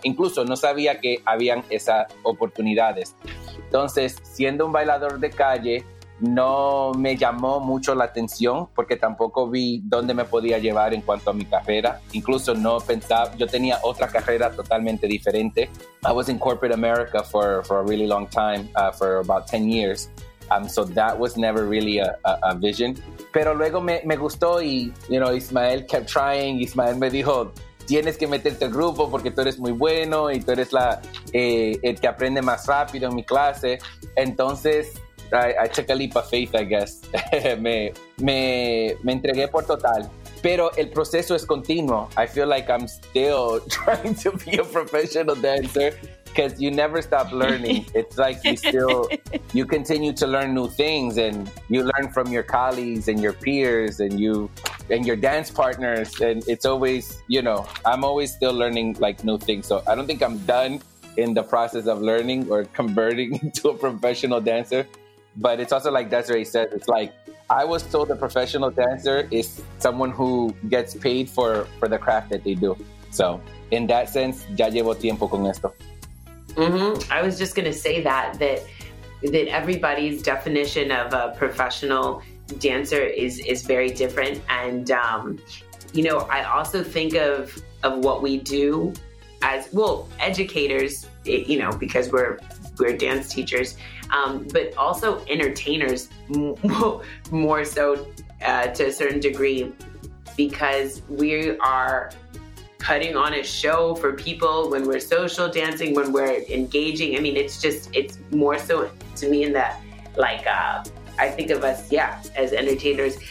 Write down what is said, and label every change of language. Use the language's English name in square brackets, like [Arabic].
[Spanish] Incluso no sabía que habían esas oportunidades. Entonces, siendo un bailador de calle, no me llamó mucho la atención porque tampoco vi dónde me podía llevar en cuanto a mi carrera. Incluso no pensaba, yo tenía otra carrera totalmente diferente. [English] I was in corporate America for a really long time, for about 10 years. So that was never really a vision. [Spanish] Pero luego me gustó y, you know, Ismael kept trying. Ismael me dijo, tienes que meterte al grupo porque tú eres muy bueno y tú eres el que aprende más rápido en mi clase. [English] Entonces, I took a leap of faith, I guess. [Spanish] me entregué por total. Pero el proceso es continuo. [English] I feel like I'm still trying to be a professional dancer because you never stop learning. It's like you continue to learn new things and you learn from your colleagues and your peers and you and your dance partners. And it's always, you know, I'm always still learning like new things. So I don't think I'm done in the process of learning or converting into a professional dancer. But it's also like Desiree said, it's like, I was told a professional dancer is someone who gets paid for the craft that they do. [Spanish] So in that sense, ya llevo tiempo con esto. Mm-hmm. [English] I was just going to say that everybody's definition of a professional dancer is very different. And, you know, I also think of what we do as, well, educators, you know, because we're dance teachers, but also entertainers more so to a certain degree, because we are putting on a show for people when we're social dancing, when we're engaging. I mean, it's more so to me in that, like, I think of us, yeah, as entertainers.